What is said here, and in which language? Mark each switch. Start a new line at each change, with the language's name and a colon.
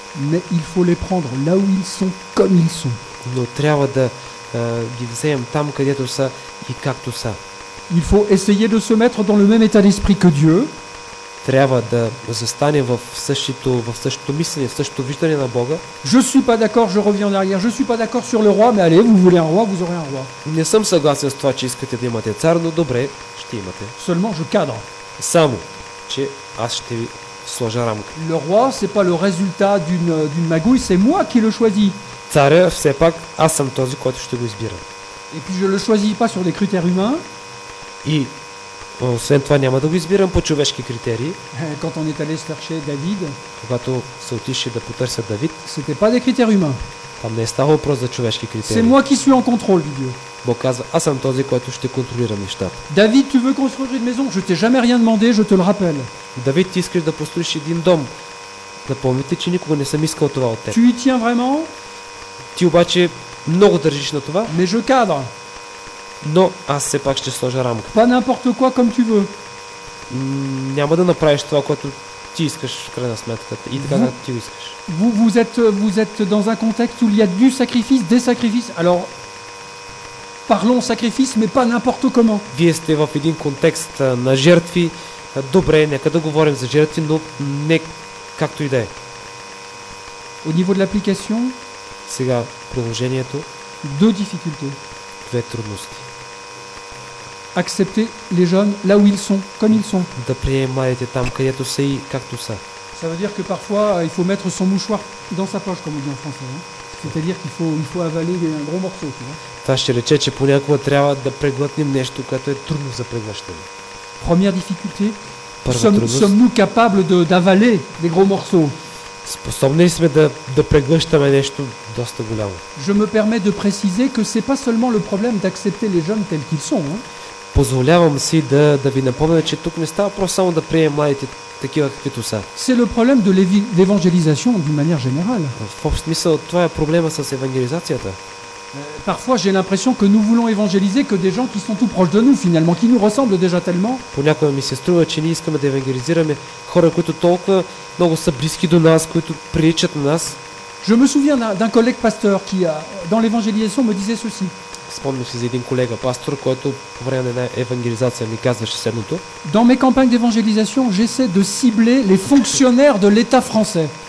French: Mais il faut les prendre là où ils sont, comme ils sont. Il faut essayer de se mettre dans le même état d'esprit que Dieu. Je suis pas d'accord, je reviens en arrière. Je suis pas d'accord sur le roi, mais allez, vous voulez un roi, vous aurez un roi.
Bulgarian: Не съм съгласен с това, че искате да имате цар, но добре, ще имате.
French: Seulement je cadre.
Bulgarian: Само че аз ще ви сложа рамка.
French: Le roi, c'est pas le résultat d'une magouille, c'est moi qui le choisis.
Bulgarian: Царя, все пак, аз съм този, който ще го избира.
French: Et puis je le choisis pas sur des critères humains.
Bulgarian: И освен това няма да го избирам по човешки критерии.
French: Quand on est allé chercher David,
Bulgarian: когато се отише да потърся Давид,
French: c'était pas des critères humains.
Bulgarian: Там не е става въпрос за човешки критерии.
French: C'est moi qui suis en contrôle, Dieu.
Bulgarian: Бог казва, аз съм този, който ще контролира нещата.
French: David, tu veux construire une maison? Je t'ai jamais rien demandé, je te le rappelle.
Bulgarian: Давид, ти искаш да построиш един дом. Напомни ти, че никога не съм искал това от теб.
French: Tu y tiens vraiment?
Bulgarian: Ти обаче много държиш на това.
French: Mais je cadre.
Bulgarian: Но аз все пак ще сложа рамка.
French: Pas n'importe quoi comme tu veux.
Bulgarian: Няма да направиш това, което ти искаш в крайна сметка. И така както ти искаш.
French: Vous êtes dans un contexte où il y a du sacrifice, des sacrifices. Alors parlons sacrifice, mais pas n'importe comment.
Bulgarian: Вие сте в един контекст на жертви. Добре, нека да говорим за жертви, но не както и да е.
French: Au niveau de l'application,
Bulgarian: сега приложението.
French: Deux difficultés.
Bulgarian: Две трудности.
French: Accepter les jeunes là où ils sont, comme ils sont.
Bulgarian: Да приемем младите там, където са и както са.
French: Ça veut dire que parfois il faut mettre son mouchoir dans sa poche, comme on dit en français. C'est-à-dire qu'il faut, il faut avaler un gros morceau.
Bulgarian: Това ще рече, че понякога трябва да преглътнем нещо, което е трудно за преглъщане.
French: Première difficulté. Sommes-nous capables d'avaler des gros morceaux?
Bulgarian: Способни ли сме да преглъщаме нещо доста голямо?
French: Je me permets de préciser que c'est pas seulement le problème d'accepter les jeunes tels qu'ils sont.
Bulgarian: Позволявам си да ви напомня, че тук не става просто само да приемем младите такива каквито са.
French: C'est le problème de l'évangélisation d'une manière générale.
Bulgarian: В общ смисъл, това е проблема с евангелизацията.
French: Parfois j'ai l'impression que nous voulons évangéliser que des gens qui sont tout proches de nous finalement, qui nous ressemblent déjà tellement.
Bulgarian: Понякога ми се струва, че ние искаме да евангелизираме хора, които толкова много са близки до нас, които приличат на нас.
French: Je me souviens d'un collègue pasteur qui dans l'évangélisation me disait ceci.
Bulgarian: Спомням си за един колега пастор, който по време на една евангелизация ми казваше следното.
French: Dans mes campagnes d'évangélisation, j'essaie de cibler les fonctionnaires de l'État français.